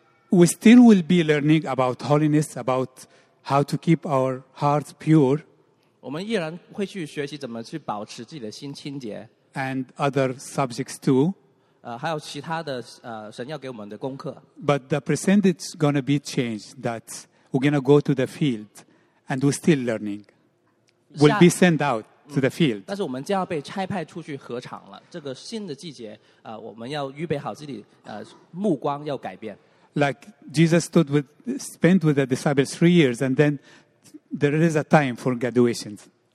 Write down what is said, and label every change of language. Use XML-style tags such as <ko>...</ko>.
<en>We still will be learning about holiness, about how to keep our hearts pure.</en> <zh>我们依然会去学习怎么去保持自己的心清洁。</zh> <en>And other subjects too.</en> <zh>还有其他的, 神要给我们的功课。</zh> <en>But the percentage is going to be changed, that we're going to go to the field. And we're still learning. We'll be sent out to the field.</en> <zh>但是我们将要被差派出去合场了。这个新的季节, 我们要预备好自己, 目光要改变。</zh> <en>Like Jesus stood with, spent with the disciples 3 years, and then there is a time for graduations.</en>